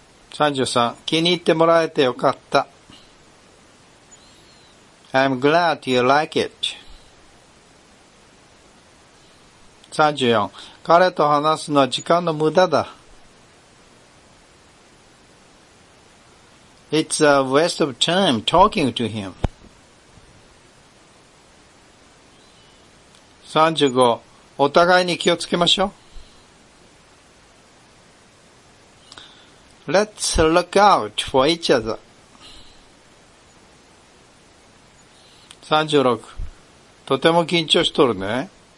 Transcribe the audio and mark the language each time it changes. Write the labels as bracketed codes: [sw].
[ja] 33、気に入ってもらえてよかった。 [en] I'm glad you like it. [ja] 34、彼と話すのは時間の無駄だ。 [en] It's a waste of time talking to him. [ja] 35、お互いに気をつけましょう。 [en] Let's look out for each other. [ja] 36、とても緊張しとるね。